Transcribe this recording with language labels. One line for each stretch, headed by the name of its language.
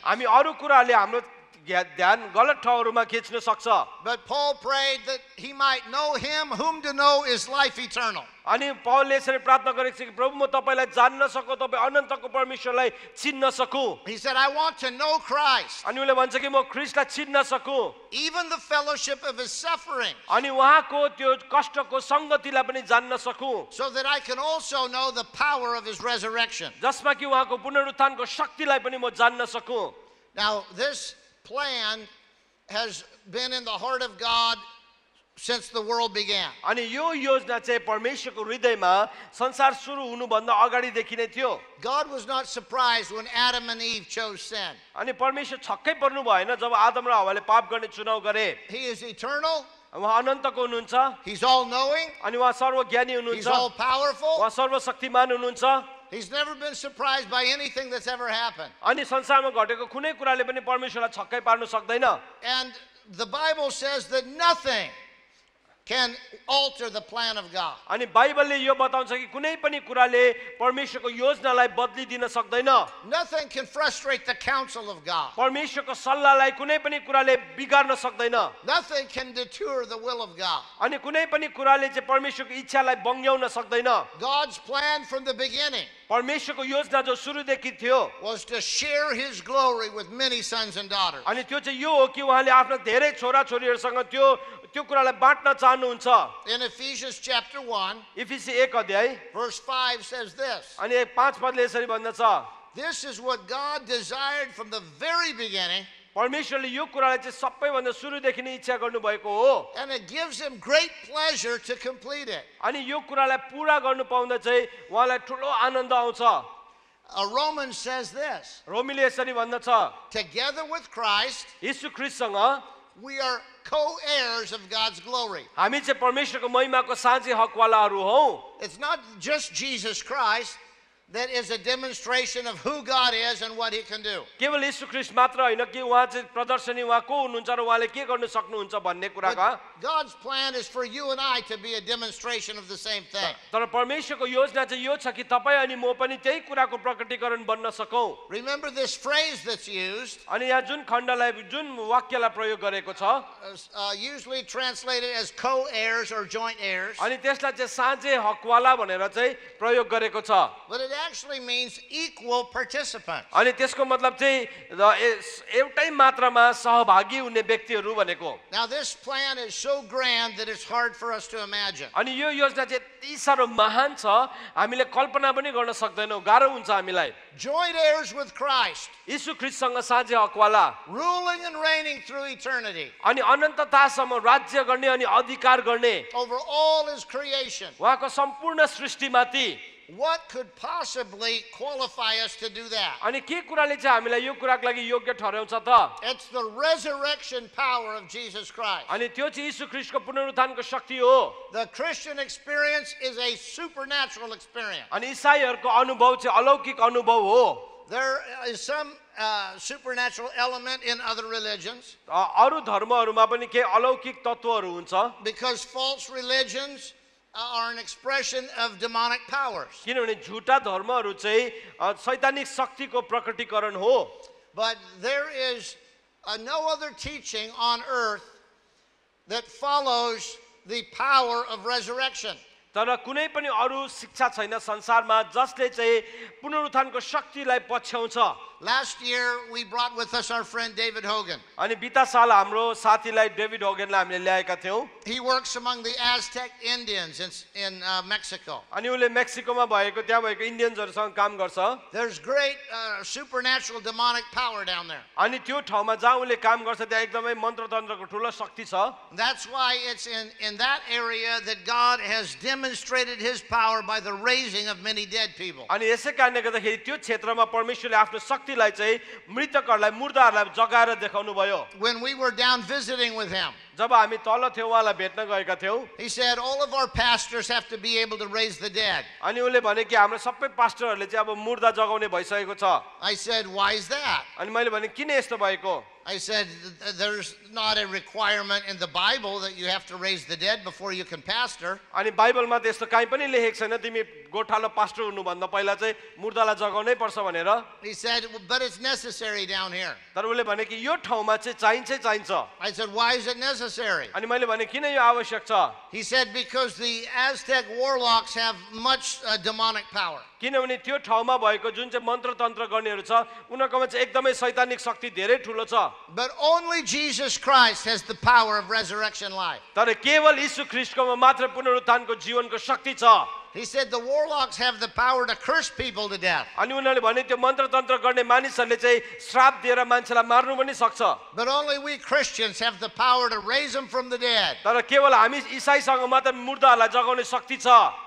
Nepali: हामी अरु कुराले हाम्रो ध्यान गलत ठाउँहरूमा खिच्न सक्छ.
English: But Paul prayed that he might know him whom to know is life eternal.
Nepali: अनि पौलले यसरी प्रार्थना गरेको छ कि प्रभु म तपाईलाई जान्न सकु, तपाई अनन्तको परमेश्वरलाई चिन्न सकु.
English: He said I want to know Christ.
Nepali: अनि उले भन्छ कि म ख्रीष्टलाई चिन्न सकु.
English: Even the fellowship of his suffering.
Nepali: अनि उहाँको त्यो कष्टको संगतिलाई पनि जान्न सकु.
English: So that I can also know the power of his resurrection.
Nepali: जसमा कि उहाँको पुनरुत्थानको शक्तिलाई पनि म जान्न सकु.
English: Now this plan has been in the heart of God since the world began.
Nepali: अनि यो योजना चाहिँ परमेश्वरको हृदयमा संसार सुरु हुनु भन्दा अगाडि देखिनै थियो.
English: God was not surprised when Adam and Eve chose sin.
Nepali: अनि परमेश्वर छक्कै पर्नु भएन जब आदम र हव्वाले पाप गर्ने चुनाव गरे.
English: He is eternal.
Nepali: उहाँ अनन्तको हुनुहुन्छ.
English: He's all knowing.
Nepali: अनि उहाँ सर्वज्ञानी हुनुहुन्छ.
English: He's all powerful.
Nepali: उहाँ सर्वशक्तिमान हुनुहुन्छ.
English: He's never been surprised by anything that's ever happened.
Nepali: अनि संसारमा घटेको कुनै कुराले पनि परमेश्वरलाई छक्कै पार्न सक्दैन.
English: And the Bible says that nothing can alter the plan of God.
Nepali: अनि बाइबलले यो बताउँछ कि कुनै पनि कुराले परमेश्वरको योजनालाई बदलिदिन सक्दैन.
English: Nothing can frustrate the counsel of God.
Nepali: परमेश्वरको सल्लाहलाई कुनै पनि कुराले बिगार्न सक्दैन.
English: Nothing can detour the will of God.
Nepali: अनि कुनै पनि कुराले चाहिँ परमेश्वरको इच्छालाई बङ्ग्याउन सक्दैन.
English: God's plan from the beginning.
Nepali: परमेश्वरको योजना जो सुरुदेखि थियो.
English: Was to share his glory with many sons and daughters.
Nepali: अनि त्यो चाहिँ यो हो कि उहाँले आफ्ना धेरै छोराछोरीहरूसँग त्यो त्यो कुरालाई बाँड्न चाहनुहुन्छ.
English: In Ephesians chapter 1.
Nepali: इफिसी 1 अध्याय
English: verse 5 says this.
Nepali: अनि 5 पदले यसरी भन्दछ.
English: This is what God desired from the very beginning.
Nepali: परमेश्वरले यो कुरालाई चाहिँ सबैभन्दा सुरुदेखि नै इच्छा गर्नुभएको हो.
English: And it gives him great pleasure to complete it.
Nepali: अनि यो कुरालाई पूरा गर्न पाउँदा चाहिँ उहाँलाई ठूलो आनन्द आउँछ.
English: A Roman says this.
Nepali: रोमीले यसरी भन्दछ.
English: Together with Christ,
Nepali: Yeshu ख्रीष्टसँग,
English: we are co-heirs of God's glory.
Nepali: हामी चाहिँ परमेश्वरको महिमाको साझी हकवालाहरू हौँ.
English: It's not just Jesus Christ. That is a demonstration of who God is and what He can do.
Nepali: केवल यीशु ख्रीष्ट मात्र हैन कि उहाँ चाहिँ प्रदर्शनी उहाँ को हुनुहुन्छ र उहाँले के गर्न सक्नुहुन्छ भन्ने कुराका.
English: God's plan is for you and I to be a demonstration of the same thing.
Nepali: तर परमेश्वरको योजना चाहिँ यो छ कि तपाई अनि म पनि त्यही कुराको प्रकटीकरण बन्न सकौं.
English: Remember this phrase that's used.
Nepali: अनि यहाँ जुन खण्डलाई जुन वाक्यलाई प्रयोग गरेको छ.
English: Usually translated as co-heirs or joint heirs.
Nepali: अनि त्यसलाई चाहिँ साझे हकवाला भनेर चाहिँ प्रयोग गरेको छ.
English: It actually means equal participants.
Nepali: अनि त्यसको मतलब चाहिँ एउटै मात्रामा सहभागी हुने व्यक्तिहरू भनेको.
English: Now this plan is so grand that it's hard for us to imagine.
Nepali: अनि यो योजना चाहिँ यति साह्रो महान छ हामीले कल्पना पनि गर्न सक्दैनौ गाह्रो हुन्छ हामीलाई.
English: Joint heirs with Christ.
Nepali: येशू ख्रीष्टसँग साझे हकवाला.
English: Ruling and reigning through eternity.
Nepali: अनि अनन्ततासम्म राज्य गर्ने अनि अधिकार गर्ने.
English: Over all his creation.
Nepali: उहाँको सम्पूर्ण सृष्टिमाथि.
English: What could possibly qualify us to do that?
Nepali: अनि के कुराले चाहिँ हामीलाई यो कुराको लागि योग्य ठहराउँछ त?
English: It's the resurrection power of Jesus Christ.
Nepali: अनि त्यो चाहिँ येशू ख्रीष्टको पुनरुत्थानको शक्ति हो.
English: The Christian experience is a supernatural experience.
Nepali: अनि इसाईहरुको अनुभव चाहिँ अलौकिक अनुभव हो.
English: There is some supernatural element in other religions.
Nepali: अरु धर्महरुमा पनि के अलौकिक तत्वहरु हुन्छ?
English: Because false religions are an expression of demonic powers.
Nepali: किनभने झुटा धर्महरु चाहिँ सैतानिक शक्तिको प्रकटीकरण हो.
English: But there is no other teaching on earth that follows the power of resurrection.
Nepali: तर कुनै पनि अरु शिक्षा छैन संसारमा जसले चाहिँ पुनरुत्थानको शक्तिलाई पछ्याउँछ.
English: Last year we brought with us our friend David Hogan.
Nepali: अनि बिता साल हाम्रो साथीलाई डेभिड होगनलाई हामीले ल्याएका थियौ.
English: He works among the Aztec Indians in Mexico.
Nepali: अनि उले मेक्सिकोमा भएको त्यहाँ भएको इन्डियन्सहरूसँग काम गर्छ.
English: There's great supernatural demonic power down there.
Nepali: अनि त्यो ठाउँमा जहाँ उले काम गर्छ त्यहाँ एकदमै मन्त्रतन्त्रको ठूलो शक्ति छ.
English: That's why it's in that area that God has demonstrated his power by the raising of many dead people.
Nepali: अनि यसै कारणले गर्दाखेरि त्यो क्षेत्रमा परमेश्वरले आफ्नो शक्तिलाई चाहिँ मृतकहरूलाई मुर्दाहरूलाई जगाएर देखाउनु भयो.
English: When we were down visiting with him.
Nepali: जब हामी तल थियौँ उहाँलाई भेट्न गएका थियौँ.
English: He said all of our pastors have to be able to raise the dead.
Nepali: अनि उले भने कि हाम्रो सबै पास्टरहरूले चाहिँ अब मुर्दा जगाउने भइसकेको छ.
English: I said why is that?
Nepali: अनि मैले भने किन यस्तो भएको?
English: I said there's not a requirement in the Bible that you have to raise the dead before you can pastor.
Nepali: अनि बाइबलमा त्यस्तो काही पनि लेखेको छैन तिमी गोठालो पास्टर हुनु भन्दा पहिला चाहिँ मुर्दालाई जगाउनै पर्छ भनेर.
English: He said but it's necessary down here.
Nepali: तर उले भने कि यो ठाउँमा चाहिँ चाहिन्छै चाहिन्छ.
English: I said why is it necessary?
Nepali: अनि मैले भने किन यो आवश्यक छ?
English: He said because the Aztec warlocks have much demonic power.
Nepali: किनभने त्यो ठाउँमा भएको जुन चाहिँ मन्त्रतन्त्र गर्नेहरू छ उनीहरूकोमा चाहिँ एकदमै सैतानिक शक्ति धेरै ठुलो छ.
English: But only Jesus Christ has the power of resurrection life.
Nepali: तर केवल येशू ख्रीष्टकोमा मात्र पुनरुत्थानको जीवनको शक्ति छ.
English: He said the warlocks have the power to curse people to death.
Nepali: अनि उनीहरूले भने त्यो मन्त्रतन्त्र गर्ने मानिसहरूले चाहिँ श्राप दिएर मान्छेलाई मार्नु पनि सक्छ.
English: But only we Christians have the power to raise them from the dead.
Nepali: तर केवल हामी इसाईसँग मात्र मुर्दाहरूलाई जगाउने शक्ति छ.